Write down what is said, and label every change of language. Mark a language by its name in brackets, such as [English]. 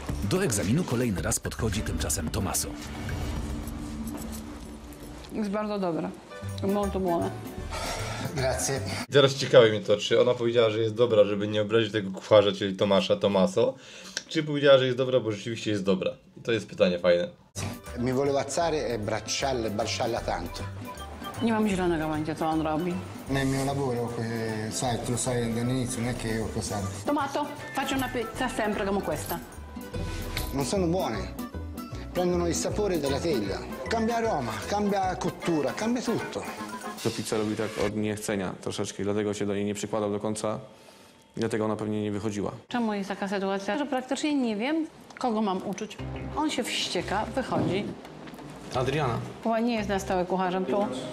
[Polish] Do egzaminu kolejny raz podchodzi tymczasem Tomaso. Jest bardzo dobre. [Italian] Molto buono. Grazie. [Polish] Teraz ciekawi mnie to, czy ona powiedziała, że jest dobra, żeby nie obrazić tego kucharza, czyli Tomasza, Tomaso, czy powiedziała, że jest dobra, bo rzeczywiście jest dobra. To jest pytanie fajne. [Italian] Mi volevo alzare e bracciale, barciale tanto. [Polish] Nie mam zielonego pojęcia, co on robi. [Italian] Nel mio lavoro, sai, tu lo sai dall'inizio, non è che io cosa. Tomato, faccio una pizza sempre come questa. Non sono buone. Prendono il sapore della teglia. Cambia aroma, cambia cottura, cambia tutto. [Polish] To pizza robi tak od niechcenia troszeczkę, dlatego się do niej nie przykładał do końca. Dlatego ona pewnie nie wychodziła. Czemu jest taka sytuacja, że praktycznie nie wiem, kogo mam uczyć? On się wścieka, wychodzi. Adriana. Chyba nie jest na stałe kucharzem tu.